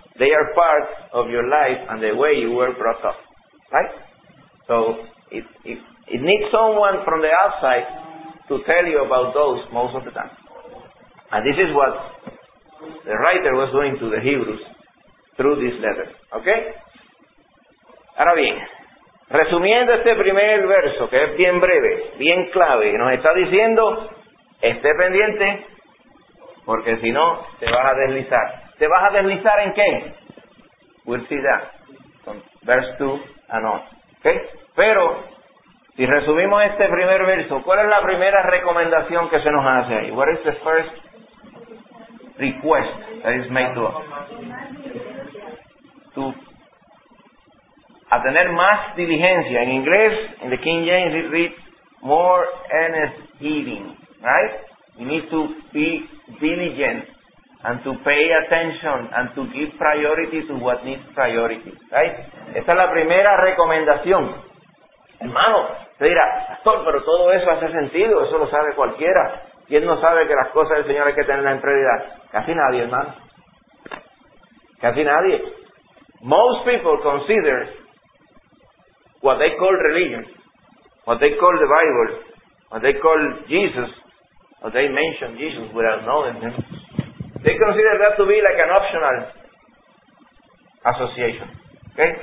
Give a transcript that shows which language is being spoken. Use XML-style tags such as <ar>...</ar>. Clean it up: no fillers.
<en>they are part of your life and the way you were brought up, right? So it needs someone from the outside to tell you about those most of the time. And this is what the writer was doing to the Hebrews through this letter, okay?</en> <es>Ahora bien, resumiendo este primer verso, que es bien breve, bien clave, nos está diciendo, esté pendiente, porque si no, te vas a deslizar. ¿Te vas a deslizar en qué?</es> <en>We'll see that, from verse 2 and on, okay?</en> <es>Pero, si resumimos este primer verso, ¿cuál es la primera recomendación que se nos hace ahí?</es> <en>What is the first request that is made to us?</en> <es>To a tener más diligencia. En inglés,</es> <en>in the King James, it reads more earnest giving, right? You need to be diligent and to pay attention and to give priority to what needs priority, right?</en> <es>Esta es la primera recomendación. Hermano, te dirá, pastor, pero todo eso hace sentido, eso lo sabe cualquiera. ¿Quién no sabe que las cosas del Señor hay que tenerlas en prioridad? Casi nadie, hermano. Casi nadie.</es> <en>Most people consider what they call religion, what they call the Bible, what they call Jesus, or they mention Jesus without knowing him. They consider that to be like an optional association. Okay?</en>